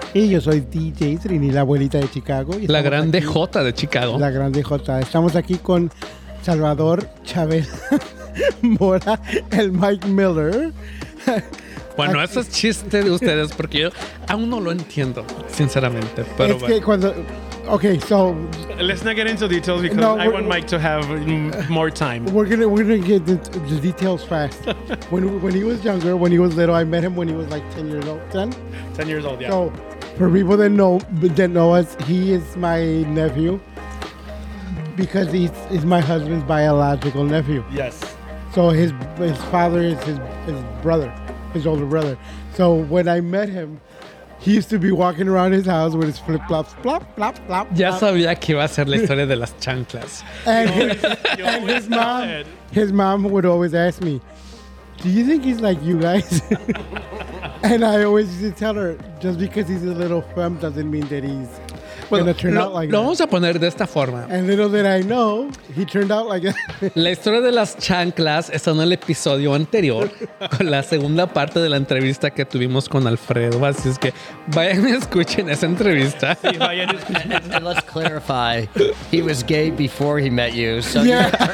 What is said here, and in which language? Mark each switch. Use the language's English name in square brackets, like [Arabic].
[Spanish] Y yo soy DJ Trini, la abuelita de Chicago. Y la grande J de Chicago. La grande J. Estamos aquí con Salvador Chávez Mora, el Mike Miller. Bueno, eso es chiste de ustedes porque yo aún no lo entiendo, sinceramente. Pero es bueno. Que cuando... [English] Okay, so let's not get into details because no, I want Mike to have more time. We're gonna get the details fast. when he was younger, when he was little, I met him when he was like 10 years old. 10? 10 years old, yeah. So for people that know us, he is my nephew because he's my husband's biological nephew. Yes. So his father is his brother, his older brother. So when I met him, he used to be walking around his house with his flip-flops. Plop, plop, plop. [Spanish] Ya sabía que iba a ser la historia de las chanclas. [English] And his mom would always ask me, do you think he's like you guys? And I always used to tell her, just because he's a little femme doesn't mean that he's going to turn out like [Spanish] lo [English] that. [Spanish] Lo vamos a poner de esta forma. [English] And little did I know, he turned out like that. [Spanish] La historia de las chanclas está en el episodio anterior, con la segunda parte de la entrevista que tuvimos con Alfredo. Así es que vayan y escuchen esa entrevista. [English] Let's clarify. He was gay before he met you. So yeah.